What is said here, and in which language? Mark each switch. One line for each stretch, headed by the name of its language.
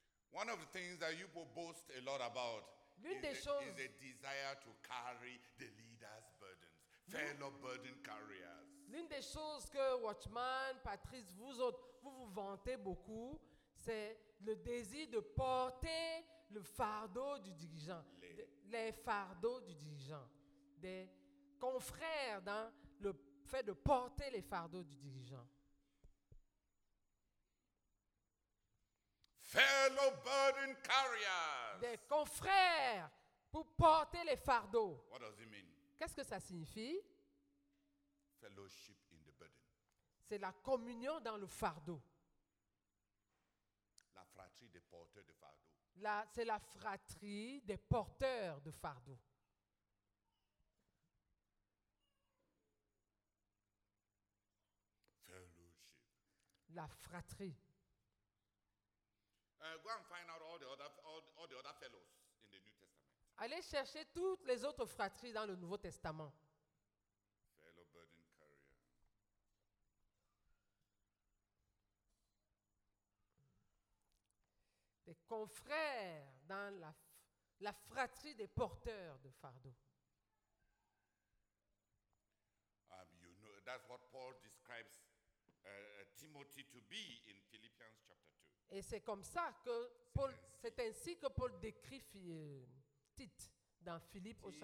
English: One of the things that you boast a lot about is a desire to carry the leader's burdens, fellow burden carriers.
French: L'une des choses que Watchman, Patrice, vous autres, vous vantez beaucoup, c'est le désir de porter le fardeau du dirigeant, les fardeaux du dirigeant, des confrères dans le fait de porter les fardeaux du dirigeant.
English: Fellow burden carriers.
French: Des confrères pour porter les fardeaux.
English: What does it mean?
French: Qu'est-ce que ça signifie?
English: Fellowship in the burden.
French: C'est la communion dans le fardeau. La fratrie des porteurs de fardeau. C'est la fratrie des porteurs de fardeau.
English: Fellowship.
French: la fratrie.
English: Go and find out all the other fellows in the New Testament.
French: Allez chercher toutes les autres fratries dans le Nouveau Testament.
English: Fellow burden carrier.
French: Des confrères dans la fratrie des porteurs de fardeaux.
English: You know, that's what Paul describes Timothy to be in Philippians chapter 2.
French: Et c'est comme ça que Paul, c'est ainsi que Paul décrit Tite dans Philippe.